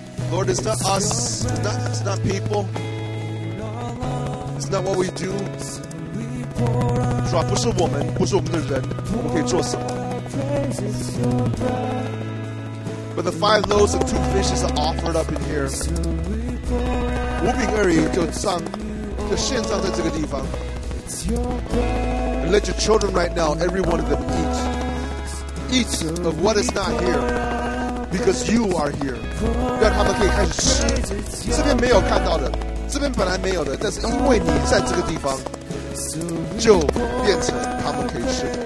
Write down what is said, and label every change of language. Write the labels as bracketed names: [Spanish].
[English] Lord, it's not us, it's not people, it's not what we do. [Chinese] 是吧,不是我们,不是我们的人,我们可以做什么? [English] But the 5 loaves and 2 fishes are offered up in here. [Chinese] 无饼而已就献上在这个地方. [English] And let your children right now, every one of them eat. Eat of what is not here. Because you are here. [Chinese] 让他们可以开始吃。这边没有看到的，这边本来没有的，但是因为你在这个地方，就变成他们可以吃。